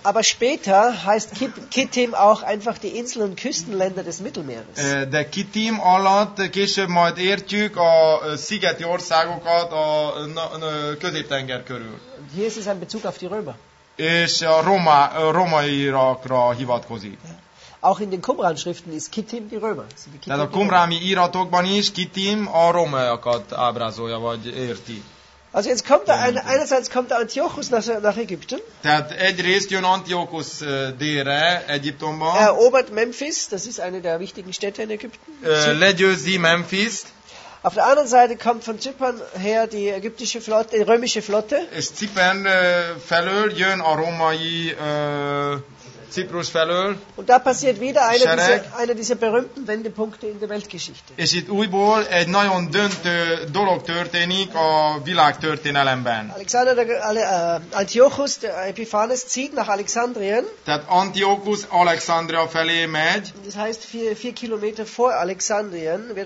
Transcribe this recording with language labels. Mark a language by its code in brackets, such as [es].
[de] Aber später heißt Kittim auch einfach die Insel und Küstenländer des Mittelmeeres. [hu] De Kittim alatt később majd értjük a szigeti országokat a Középtenger körül. [de] Hier ist es ein Bezug auf die Römer. [hu] És a romaiakra hivatkozik. [de] Auch in den Qumran-Schriften ist Kittim die Römer. [hu] Tehát a qumrani íratokban is Kittim a romaiakat ábrázolja, vagy érti. [de] Also jetzt kommt einerseits kommt Antiochus nach Ägypten. [hu] Tehát egyrészt jön Antiochus délre, Egyiptomban. [de] Er erobert Memphis, das ist eine der wichtigen Städte in Ägypten. [hu] Legyőzi Memphis. [de] Auf der anderen Seite kommt von Zypern her die ägyptische Flotte, die römische Flotte. [hu] És Zypern felől jön a római Ciprus felől. [de] Und da passiert wieder einer dieser berühmten Wendepunkte in der Weltgeschichte. [hu] És itt újból egy nagyon döntő dolog történik a világtörténelemben. [de] Antiochus Epiphanes zieht nach Alexandrien. [hu] Tehát Antiochus Alexandria felé megy. [de] Das heißt 4 Kilometer vor Alexandrien wird